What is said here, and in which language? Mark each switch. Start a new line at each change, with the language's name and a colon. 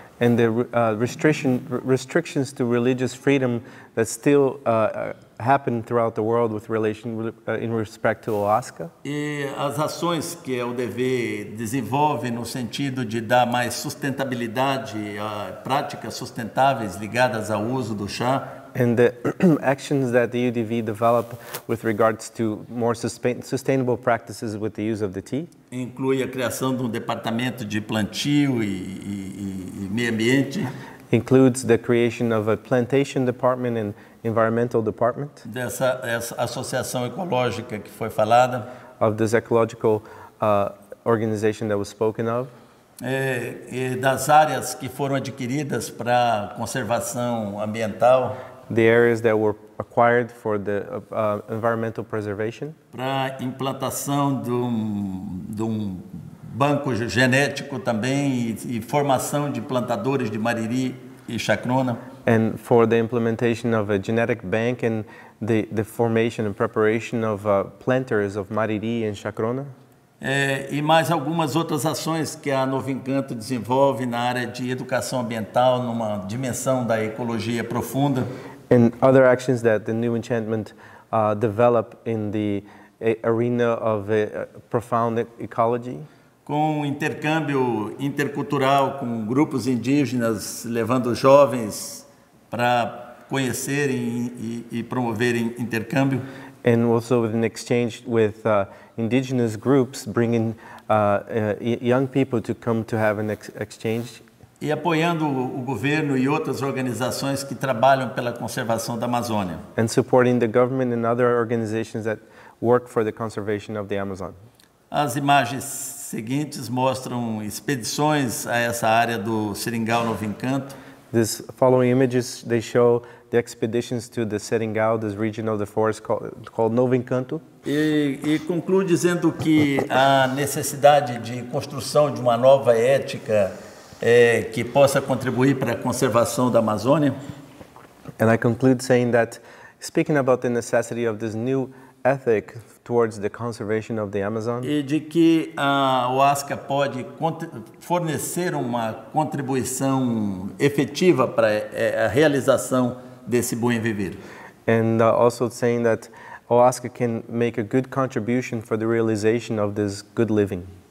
English: And the restrictions to religious freedom that still happen throughout the world with relation in respect to Ayahuasca.
Portuguese: E as ações que a UDV desenvolve no sentido de dar mais sustentabilidade a práticas sustentáveis ligadas ao uso do chá.
English: And the actions that the UDV develop with regards to more sustainable practices with the use of the tea.
Portuguese: Inclui a criação de um departamento de plantio e meio ambiente.
English: Includes the creation of a plantation department and environmental department.
Portuguese: Dessa essa associação ecológica que foi falada.
English: Of this ecological organization that was spoken of.
Portuguese: E das áreas que foram adquiridas para conservação ambiental.
English: The areas that were acquired for the environmental preservation.
Portuguese: Para implantação de um banco genético também e formação de plantadores de mariri e chacrona.
English: And for the implementation of a genetic bank and the formation and preparation of planters of mariri and chacrona.
Portuguese: E mais algumas outras ações que a Novo Encanto desenvolve na área de educação ambiental numa dimensão da ecologia profunda.
English: and other actions that the new enchantment develop in the arena of a profound ecology.
Portuguese: Com o intercâmbio intercultural com grupos indígenas, levando jovens para conhecerem e promoverem intercâmbio.
English: And also with an exchange with indigenous groups, bringing young people to come to have an exchange.
Portuguese: E apoiando o governo e outras organizações que trabalham pela conservação da Amazônia.
English: And supporting the government and other organizations that work for the conservation of the Amazon.
Portuguese: As imagens seguintes mostram expedições a essa área do Seringal Novo Encanto.
English: This following images, they show the expeditions to the Seringal, this region of the forest called Novo Encanto.
Portuguese: E conclui dizendo que a necessidade de construção de uma nova ética que possa contribuir para a conservação da Amazônia.
English: And I conclude saying that, speaking about the necessity of this new ethic towards the conservation of the Amazon.
Portuguese: E de que a OASCA pode fornecer uma contribuição efetiva para a realização desse bom viver.
English: And also saying that OASCA can make a good contribution for the realization of this good living.